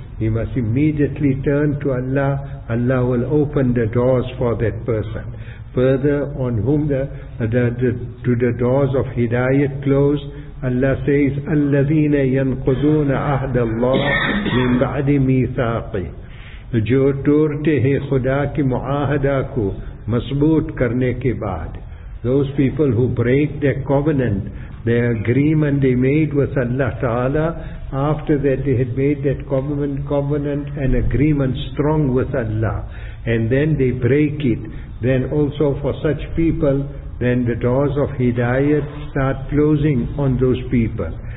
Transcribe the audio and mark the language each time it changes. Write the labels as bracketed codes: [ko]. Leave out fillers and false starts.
[en] He must immediately turn to Allah. Allah will open the doors for that person. Further, on whom the doors of hidayat close, Allah says, [ar] الَّذِينَ يَنْقُذُونَ عَهْدَ اللَّهِ مِنْ بَعْدِ مِيثَاقِ. [ur] جو توڑتے ہیں خدا کی معاہدہ کو مضبوط کرنے کے بعد. [en] Those people who break their covenant, their agreement they made with Allah Ta'ala, after that they had made that covenant and agreement strong with Allah, and then they break it, then also for such people, then the doors of hidayat start closing on those people.